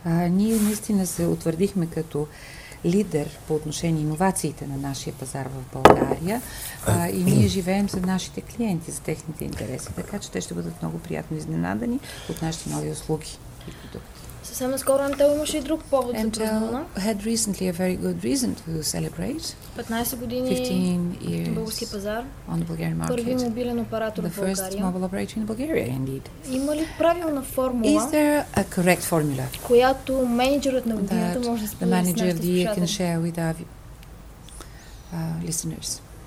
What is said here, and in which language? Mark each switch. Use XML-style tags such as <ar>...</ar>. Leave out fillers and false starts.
<bg>Ние наистина се утвърдихме като лидер по отношение иновациите на нашия пазар в България и ние живеем за нашите клиенти, за техните интереси, така че те ще бъдат много приятно изненадани от нашите нови услуги.</bg> <en>good product.</en> <bg>Съвсем скоро Intel имаше и друг повод за празнуване.</bg> <en>Had recently a very good reason to celebrate.</en> <bg>15 години на български пазар.</bg> <en>On the Bulgarian market.</en> <bg>Първи мобилен оператор в България.</bg> <en>The first mobile operator in Bulgaria, indeed.</en> <bg>Има ли правилна формула?</bg> <en>Is there a correct formula?</en> <bg>Която менеджерът на годината може да сподели с нашите слушатели.</bg> <en>The manager of the year can share with our listeners.</en>